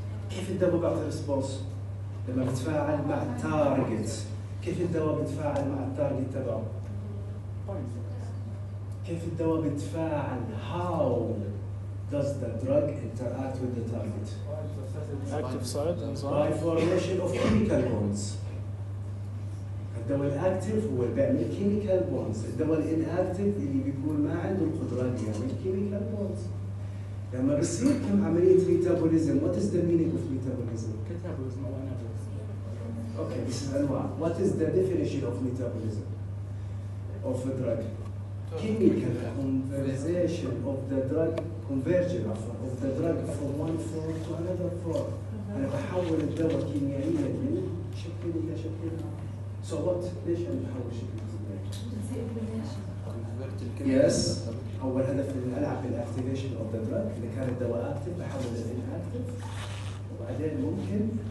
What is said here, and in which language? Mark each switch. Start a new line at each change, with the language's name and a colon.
Arabic: كيف الدواء بيعطي ريسبونس لما بتفاعل مع التارجت؟ كيف الدواء بتفاعل مع التارجت تبعه؟ كيف الدواء بتفاعل؟
English: How does the drug interact with the target? Active side by formation of chemical bonds.
Arabic: الدواء الاكتف هو اللي بيعمل chemical bonds. الدواء الانأكتف اللي بيكون ما عنده القدرة يعمل chemical bonds. لما بصير كم عملية ميتابوليزم؟
English: What is the meaning of metabolism? Catabolism أو anabolism. Okay, this is أنواع. What is the definition of metabolism of a drug? Chemical conversion of the drug conversion of the drug from one form to another form.
Arabic: أنا بحول الدواء كيميائيا من شكل إلى شكل.
English: So what?
Arabic: ليش أنا بحول شكل إلى شكل؟
English: Yes.
Arabic: أول هدف إن ألعب في الاكتيفيشن أو الدرج إذا كان الدواء أكتيف بحاول إن أكتيف وبعدين ممكن